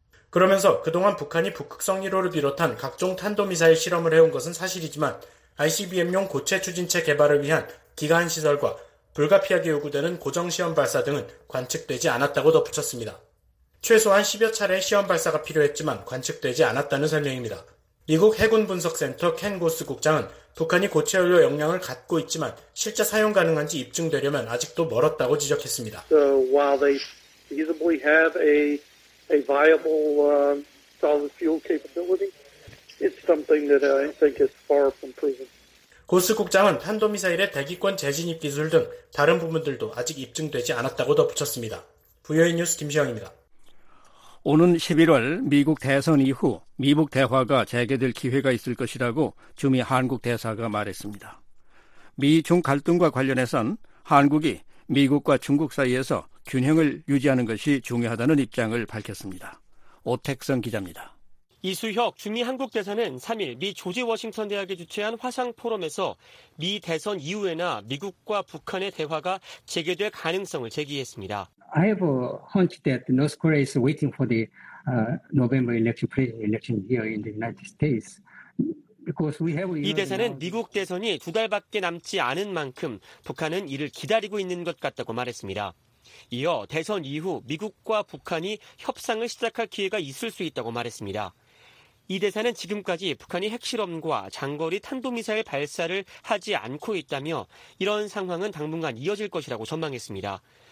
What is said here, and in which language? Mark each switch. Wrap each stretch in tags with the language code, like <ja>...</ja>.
<ko>그러면서 그동안 북한이 북극성 1호를 비롯한 각종 탄도미사일 실험을 해온 것은 사실이지만 ICBM용 고체 추진체 개발을 위한 기관시설과 불가피하게 요구되는 고정시험 발사 등은 관측되지 않았다고 덧붙였습니다. 최소한 10여 차례의 시험 발사가 필요했지만 관측되지 않았다는 설명입니다. 미국 해군분석센터 켄고스 국장은 북한이 고체 연료 역량을 갖고 있지만 실제 사용 가능한지 입증되려면 아직도 멀었다고 지적했습니다.</ko> <en>So while they feasibly have a viable solid fuel capability, it's something that I think is far from proven.</en> <ko>고스 국장은 탄도미사일의 대기권 재진입 기술 등 다른 부분들도 아직 입증되지 않았다고 덧붙였습니다. VOA 뉴스 김시영입니다. 오는 11월 미국 대선 이후 미북 대화가 재개될 기회가 있을 것이라고 주미 한국 대사가 말했습니다. 미중 갈등과 관련해선 한국이 미국과 중국 사이에서 균형을 유지하는 것이 중요하다는 입장을 밝혔습니다. 오택성 기자입니다. 이수혁 주미 한국 대사는 3일 미 조지 워싱턴 대학이 주최한 화상 포럼에서 미 대선 이후에나 미국과 북한의 대화가 재개될 가능성을 제기했습니다.</ko> <en>I have a hunch that North Korea is waiting for the November election, presidential election here in the United States.</en> <ko>이 대사는 미국 대선이 두 달밖에 남지 않은 만큼 북한은 이를 기다리고 있는 것 같다고 말했습니다. 이어 대선 이후 미국과 북한이 협상을 시작할 기회가 있을 수 있다고 말했습니다. 이 대사는 지금까지 북한이 핵실험과 장거리 탄도미사일 발사를 하지 않고 있다며 이런 상황은 당분간 이어질 것이라고 전망했습니다.</ko>